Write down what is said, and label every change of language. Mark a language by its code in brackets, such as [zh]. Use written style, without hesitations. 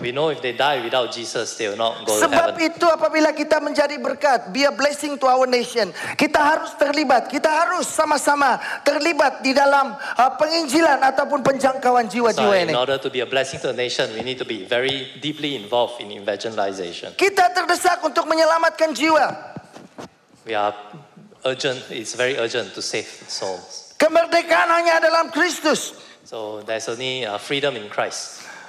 [en] We know if they die without Jesus, they will not go to heaven. [ms] Sebab itu apabila kita menjadi berkat, [en] be a blessing to our nation, [ms] kita harus terlibat, kita harus sama-sama terlibat di dalam penginjilan ataupun penjangkauan jiwa-jiwa ini. [en] So in order to be a blessing to the nation, we need to be very deeply involved in evangelization. [ms] Kita terdesak untuk menyelamatkan jiwa. [en] We are urgent, it's very urgent to save souls. [ms] Kemerdekaan hanya ada dalam Kristus. [en] So there's only freedom in Christ.